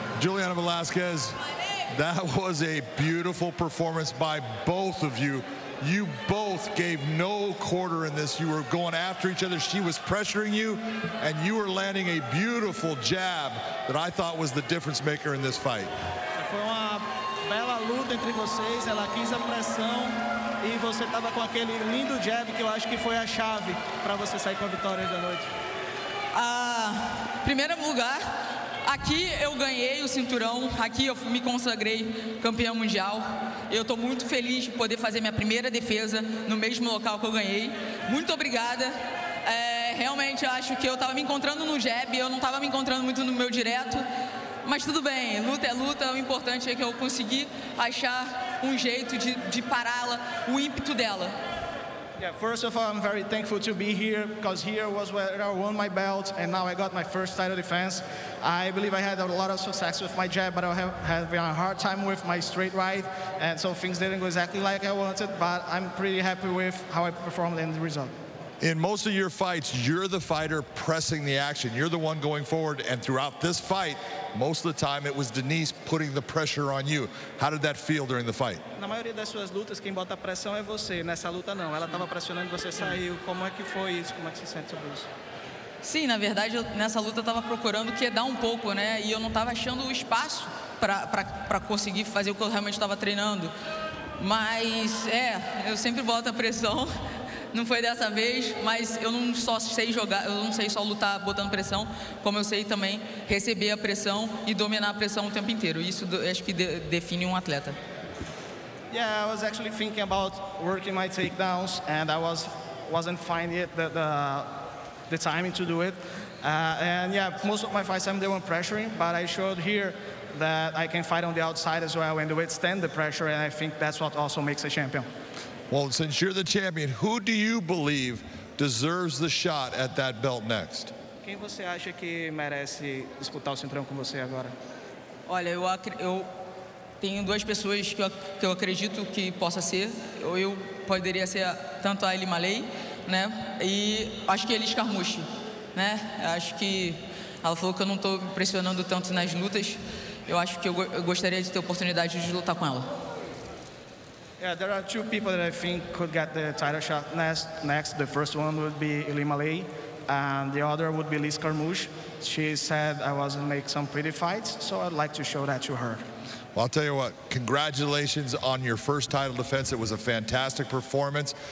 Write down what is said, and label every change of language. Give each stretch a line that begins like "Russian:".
English: Juliana Velasquez, that was a beautiful performance by both of you. You both gave no quarter in this. You were going after each other. She was pressuring you, and you were landing a beautiful jab that I thought was the difference maker in this fight.
Portuguese: Foi uma bela luta entre vocês. Ela quis a pressão e você tava com aquele lindo jab que eu acho que foi a chave para você sair com a vitória da noite. Primeiro lugar, aqui eu ganhei o cinturão, aqui eu me consagrei campeão mundial. Eu estou muito feliz de poder fazer minha primeira defesa no mesmo local que eu ganhei. Muito obrigada. Realmente eu acho que eu estava me encontrando no jab, eu não estava me encontrando muito no meu direto. Mas tudo bem, luta é luta. O importante é que eu consegui achar um jeito de pará-la, o ímpeto dela.
English: Yeah, first of all, I'm very thankful to be here because here was where I won my belt and now I got my first title defense. I believe I had a lot of success with my jab, but I had a hard time with my straight right, and so things didn't go exactly like I wanted, but I'm pretty happy with how I performed in the result. In most of your fights, you're the fighter pressing the action. You're the one going forward, and throughout this fight, most of the time, it was Denise putting the pressure on you. How did that feel during the fight?
Portuguese: Na maioria das suas lutas, quem bota a pressão é você. Nessa luta, não. Ela estava pressionando, você saiu. Como é que foi isso? Como é que se sente sobre isso? Sim, na verdade, nessa luta, eu estava procurando quedar um pouco, né? E eu não estava achando o espaço para conseguir fazer o que eu realmente estava treinando. Mas, eu sempre boto a pressão. Não foi dessa vez, mas eu não só sei jogar, eu não sei só lutar botando pressão, como eu sei também receber a pressão e dominar a pressão o tempo inteiro. Isso acho que define um atleta.
English: Yeah, I was actually thinking about working my takedowns and I wasn't finding it the timing to do it. And yeah, most of my fights I'm the one pressuring, but I showed here that I can fight on the outside as well and withstand the pressure, and I think that's what also makes a champion. Well, since you're the champion, who do you believe deserves the shot at that belt next?
Portuguese: Quem você acha que merece disputar o cinturão com você agora? Olha, eu tenho duas pessoas que eu acredito que possa ser. Eu poderia ser tanto a Eli Malay, né? E acho que a Elis Carmucci, né? Acho que ela falou que eu não estou pressionando tanto nas lutas. Eu acho que eu gostaria de ter a oportunidade de lutar com ela.
English: Yeah, there are two people that I think could get the title shot next. The first one would be Eli Malay, and the other would be Liz Carmouche. She said I was going to make some pretty fights, so I'd like to show that to her. Well, I'll tell you what, congratulations on your first title defense. It was a fantastic performance.